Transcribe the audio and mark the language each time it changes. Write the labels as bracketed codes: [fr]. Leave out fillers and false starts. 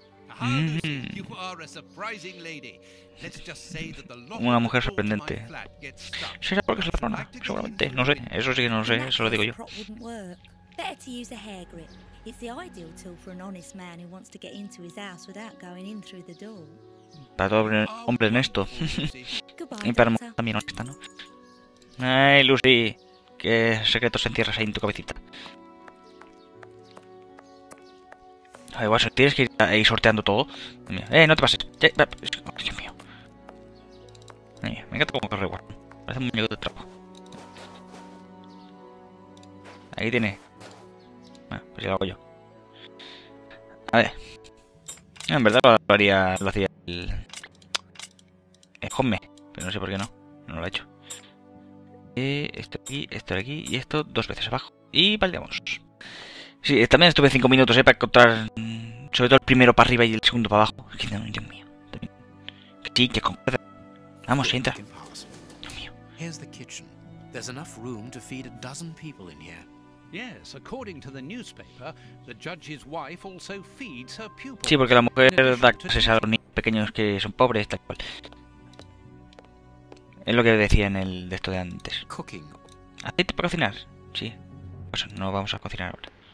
[en] Aha, Lucy, you are a surprising lady. Let's just say that the lock [es] Una mujer sorprendente. ¿Será porque es la zona? Seguramente. No sé. Eso sí que no lo sé. Eso lo digo yo. [en] Better to use a hair grip. It's the ideal tool for an honest man who wants to get into his house without going in through the door. [es] Para todo hombre honesto. [en] Goodbye, [es] y para mujer también honesta, ¿no? Ay, Lucy. ¿Qué secretos entierras ahí en tu cabecita? Ay, bueno, tienes que ir ahí sorteando todo. No te pases. Dios mío. Ay, me encanta como corre igual. Parece un muñeco de trapo. Ahí tiene. Bueno, pues ya lo hago yo. A ver. En verdad lo hacía el... Esconde. Pero no sé por qué no. No lo ha hecho. Esto de aquí y esto dos veces abajo. Y paldeamos. Sí, también estuve 5 minutos para encontrar... Sobre todo el primero para arriba y el segundo para abajo. Dios mío. Sí, que con... Vamos, entra. Dios mío. [en] Here's the kitchen. There's enough room to feed a dozen people in here. Yes, according to the newspaper, the judge's wife also feeds her pupils. [es] Sí, porque la mujer da clases a los niños pequeños que son pobres, tal cual. Es lo que decía en el texto de antes. [en] Cooking. [es] ¿Aceite para cocinar? Sí. Pues no vamos a cocinar ahora.